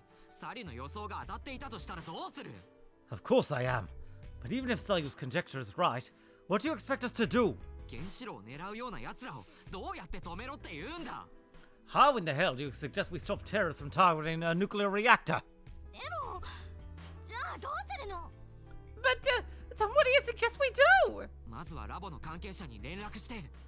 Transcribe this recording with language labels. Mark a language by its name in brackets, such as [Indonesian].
[Japanese] 心配だよ。だけど仮にサリの予想が当たっていたとしたらどうする? [English] Of course I am. But even if Saryu's conjecture is right, what do you expect us to do? [Japanese] 原子炉を狙うような奴らをどうやって止めろって言うんだ? [English] How in the hell do you suggest we stop terrorists from targeting a nuclear reactor? [Japanese] でも、じゃあどうするの? [English] But then what do you suggest we do? [Japanese] まずはラボの関係者に連絡して。